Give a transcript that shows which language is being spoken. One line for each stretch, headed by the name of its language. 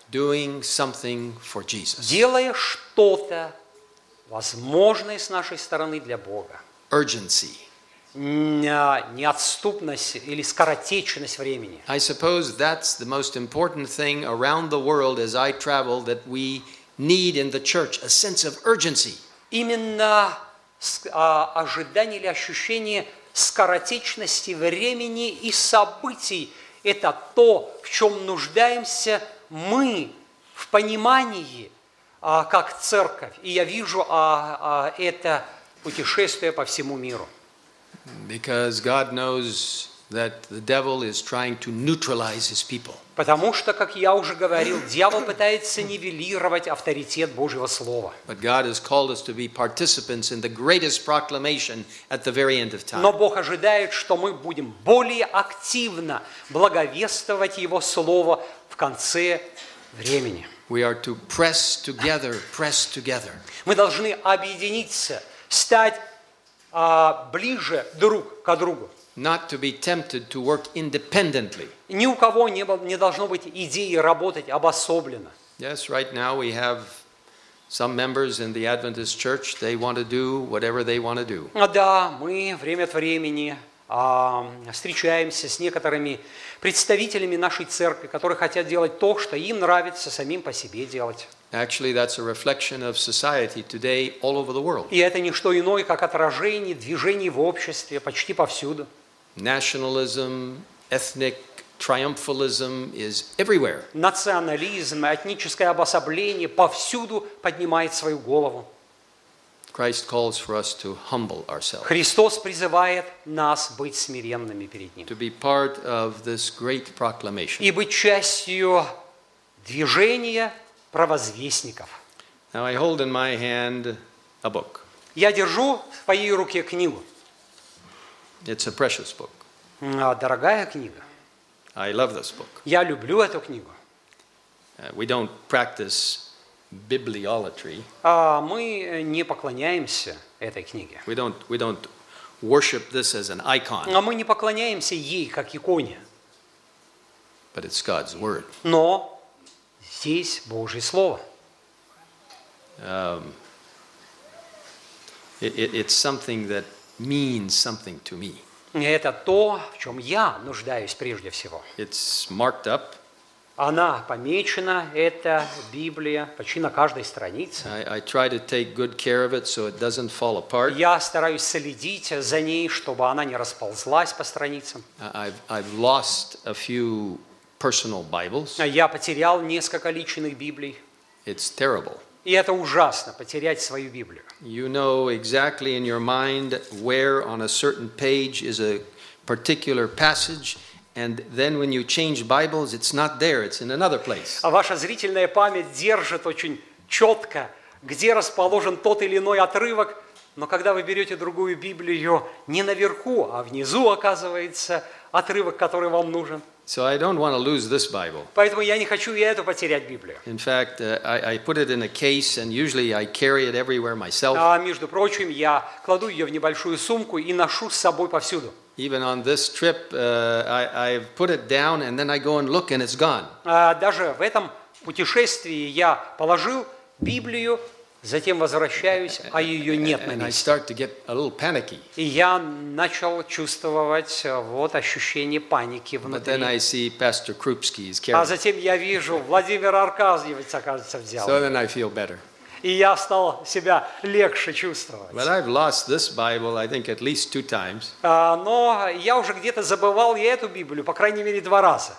English: Doing something for Jesus.
Russian: Делая что-то возможное с нашей стороны для Бога.
English: Urgency.
Russian: Неотступность или скоротечность времени.
English: I suppose that's the most important thing around the world as I travel, that we need in the church a sense of urgency.
Russian: Именно ожидание или ощущение скоротечности времени и событий – это то, в чем нуждаемся мы в понимании, как церковь. И я вижу это путешествие по всему миру.
English: Because God knows that the devil is trying to neutralize his people.
Russian: Потому что, как я уже говорил, дьявол пытается нивелировать авторитет Божьего слова.
English: But God has called us to be participants in the greatest proclamation at the very end of time.
Russian: Но Бог ожидает, что мы будем более активно благовествовать его слово в конце времени.
English: We are to press together, press together.
Russian: Мы должны объединиться, стать ближе друг к другу.
English: Not to be tempted to work independently.
Russian: Ни у кого не должно быть идеи работать обособленно.
English: Yes, right now we have some members in the Adventist Church. They want to do whatever they want to do.
Russian: Да, мы время от времени встречаемся с некоторыми представителями нашей церкви, которые хотят делать то, что им нравится самим по себе делать.
English: Actually, that's a reflection of society today all over the world.
Russian: И это не что иное, как отражение движений в обществе почти повсюду.
English: Nationalism, ethnic triumphalism is everywhere.
Russian: Национализм, этническое обособление повсюду поднимает свою голову.
English: Christ calls for us to humble ourselves.
Russian: Христос призывает нас быть смиренными перед Ним.
English: To be part of this great proclamation.
Russian: И быть частью движения провозвестников.
English: Now I hold in my hand a book.
Russian: Я держу в своей руке книгу.
English: It's a precious book.
Russian: Дорогая книга.
English: I love this book.
Russian: Я люблю эту книгу.
English: We don't practice bibliolatry.
Russian: Мы не поклоняемся этой книге.
English: We don't worship this as an icon.
Russian: А мы не поклоняемся ей как иконе.
English: But it's God's word.
Russian: Но здесь Божье слово.
English: It's something that means something to me.
Russian: Это то, в чем я нуждаюсь прежде всего.
English: It's marked up.
Russian: Она помечена, эта Библия, почти на каждой странице.
English: I try to take good care of it, so it doesn't fall apart.
Russian: Я стараюсь следить за ней, чтобы она не расползлась по страницам.
English: I've lost a few personal Bibles.
Russian: Я потерял несколько личных Библий.
English: It's terrible.
Russian: И это ужасно, потерять свою Библию.
English: You know exactly in your mind where on a certain page is a particular passage, and then when you change Bibles, it's not there, it's in another place.
Russian: А ваша зрительная память держит очень четко, где расположен тот или иной отрывок, но когда вы берете другую Библию, не наверху, а внизу оказывается отрывок, который вам нужен.
English: So I don't want to lose this Bible.
Russian: Поэтому я не хочу и эту потерять Библию.
English: In fact, I put it in a case and usually I carry it everywhere myself.
Russian: А между прочим, я кладу её в небольшую сумку и ношу с собой повсюду.
English: Even on this trip, I put it down and then I go and look and it's gone.
Russian: Даже в этом путешествии я положил Библию, затем возвращаюсь, а её нет на месте.
English: And I start to get a little panicky.
Russian: И я начал чувствовать вот ощущение паники внутри.
English: But then I see Pastor Krupski is carrying.
Russian: А затем я вижу Владимир Аркадьевич, оказывается, взял.
English: So then I feel better.
Russian: И я стал себя легче чувствовать.
English: But I've lost this Bible, I think, at least 2 times.
Russian: Но я уже где-то забывал и эту Библию, по крайней мере, 2 раза.